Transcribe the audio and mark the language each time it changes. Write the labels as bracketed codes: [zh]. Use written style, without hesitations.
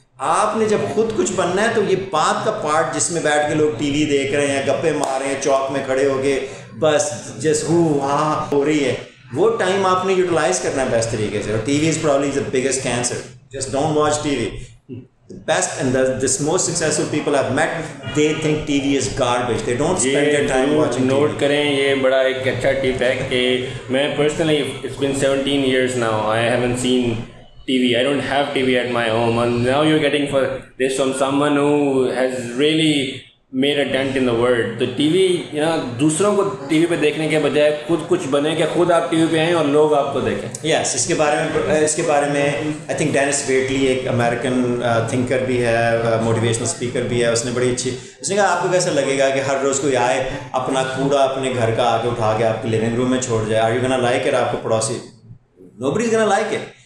[ur] آپ نے جب خود کچھ بننا ہے تو یہ بات کا پارٹ جس میں بیٹھ کے لوگ ٹی وی دیکھ رہے ہیں، گپے مار رہے ہیں، چوک میں کھڑے ہو کے بس جس ہو رہی ہے، وہ ٹائم آپ نے یوٹیلائز کرنا ہے بیسٹ طریقے سے. اور [en] TV is probably the biggest cancer, just don't watch TV. Best and this most successful people have met, they think TV is garbage, they don't spend their time watching. [ur] Note کریں، یہ بڑا ایک اچھا ٹپ ہے کہ میں personally [en] It's been 17 years now I have not seen TV. I don't have TV at my home, and now you're getting for this from someone who has really made a dent in the world. The TV, you know, [ur] دوسروں کو T V پہ دیکھنے کے بجائے خود کچھ بنے کہ خود آپ ٹی وی پہ آئیں اور لوگ آپ کو دیکھیں. یس، اس کے بارے میں آئی تھنک ڈینس ویٹلی ایک امیریکن تھنکر بھی ہے، موٹیویشنل اسپیکر بھی ہے. اس نے بڑی اچھی، اس نے کہا آپ کو کیسا لگے گا کہ ہر روز کوئی آئے اپنا کوڑا اپنے گھر کا آ کے اٹھا کے آپ کے لیونگ روم میں چھوڑ جائے، [en] Are you gonna like it? [ur] آپ کو پڑوسی [en] Nobody is gonna like it.